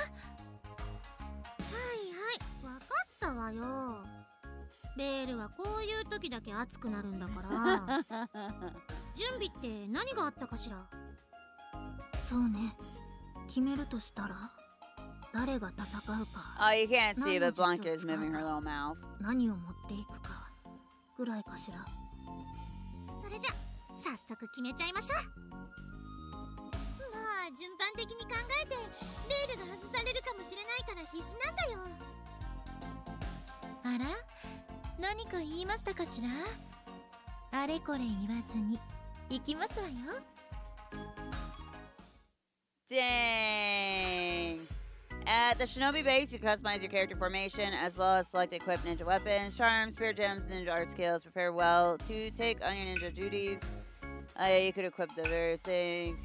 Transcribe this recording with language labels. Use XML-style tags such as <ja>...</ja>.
<ja>はいはい、わかったわよ。ベールはこういう時だけ熱くなるんだから。準備って何があったかしら。そうね、決めるとしたら誰が戦うか。</ja> <en>Oh, you can't see, but Blanca is moving her little mouth.</en> <ja>何を持っていくかぐらいかしら。それじゃ早速決めちゃいましょう。まあ順番的に考えてベールが外されるかもしれないから必死なんだよ。あら、何か言いましたかしら。あれこれ言わずに行きますわよ。</ja> <en>Dang. At the Shinobi base, you customize your character formation as well as select equipped ninja weapons, charms, spear gems, ninja art skills. Prepare well to take on your ninja duties. You could equip the various things.</en>